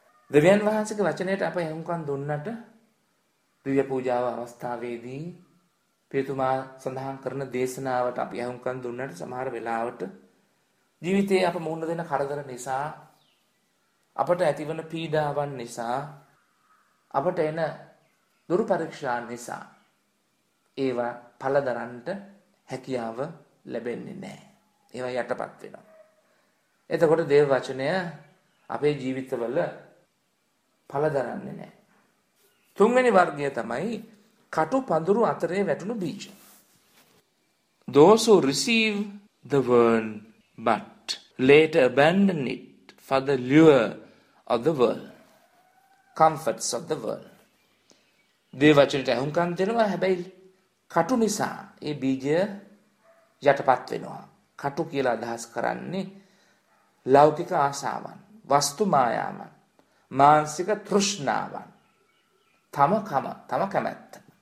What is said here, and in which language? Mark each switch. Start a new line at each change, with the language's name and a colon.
Sinhala: දෙවියන් වහන්සේගේ වචනයට අප යොමුකම් දුන්නට දිව්‍ය පූජාව අවස්ථාවේදී පියතුමා සඳහන් කරන දේශනාවට අපි යොමුකම් දුන්නට සමහර වෙලාවට ජීවිතයේ අප මුහුණ දෙන කරදර නිසා අපට ඇතිවන පීඩාවන් නිසා අපට එන දුරු පරීක්ෂා නිසා ඒවා පළදරන්ට හැකියාව ලැබෙන්නේ නැහැ. ඒවා යටපත් වෙනවා. එතකොට දේව වචනය අපේ ජීවිතවල පළදරන්නේ නැහැ. තුන්වෙනි වර්ගය තමයි කටු පඳුරු අතරේ වැටුණු බීජ.
English: Those who receive the word but later abandon it for the lure of the world, comforts of the world.
Sinhala: දේව වචනයට අහුම්කම් දෙනවා, හැබැයි කටු නිසා ඒ බීජය යටපත් වෙනවා. කටු කියලා අදහස් කරන්නේ ලෞකික ආශාවන්, වස්තු මායාවන්, මානසික තෘෂ්ණාවන්, තම කැමැත්ත.